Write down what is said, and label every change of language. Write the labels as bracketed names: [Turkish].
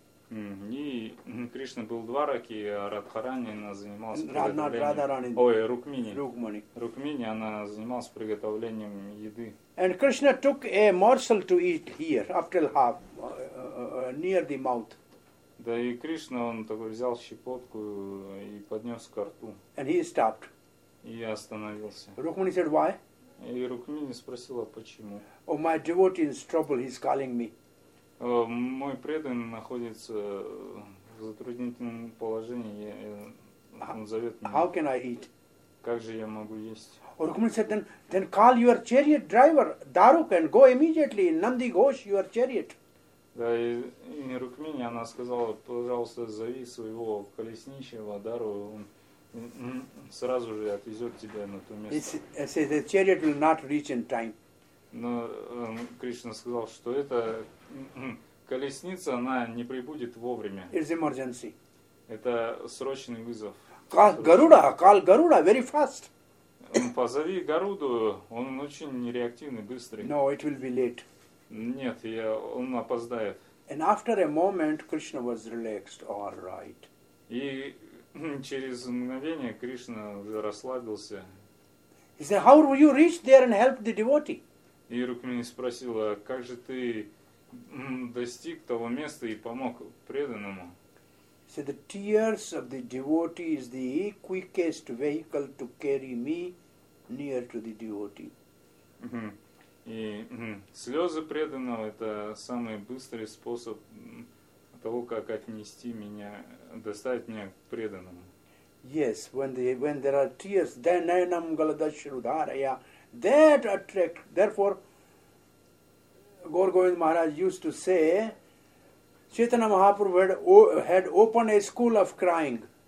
[Russian] И Кришна был в Двараке, а Радхарани она занималась Рукмини, она занималась приготовлением еды. [English] And Krishna took a morsel to eat here, up till half, near the mouth. [Russian] Да и Кришна, он такой взял щепотку и поднес ко рту. [English] And he stopped. [Russian] И остановился. [English] Rukmini said, why? [Russian] И Рукмини спросила, почему. [English] Oh, my devotee is in trouble, he's calling me. [Russian] Мой преданный находится в затруднительном положении, он зовет меня. [English] How can I eat? [Russian] Как же я могу есть? [English] Oh, Rukmini said, then call your chariot driver, Daruk, and go immediately in Nandi Ghosh, your chariot. [Russian] Да, и Рукмини, она сказала, пожалуйста, зови своего колесничего, Дару, он сразу же отвезет тебя на то место. [English] He said, the chariot will not reach in time. [Russian] Но Кришна сказал, что эта колесница, она не прибудет вовремя. [English] It's emergency. [Russian] Это срочный вызов. [English] Call Garuda, very fast. [Russian] Позови Гаруду, он очень нереактивный, быстрый. [English] No, it will be late. [Russian] Нет, он опоздает. [English] And after a moment, Krishna was relaxed, all right. [Russian] И через мгновение Кришна уже расслабился. [English] He said, how will you reach there and help the devotee? [Russian] И Рукмини спросила, как же ты достиг того места и помог преданному? [English] He said, the tears of the devotee is the quickest vehicle to carry me near to the devotee. [Russian] И слезы преданного – это самый быстрый способ того, как отнести меня, доставить меня к преданному. [English] Yes, when there are tears, then [Sanskrit] nainam galadashrudharaya, [English] that attract, therefore, Gaur Govind Maharaj used to say, Chaitanya Mahaprabhu had opened a school of crying.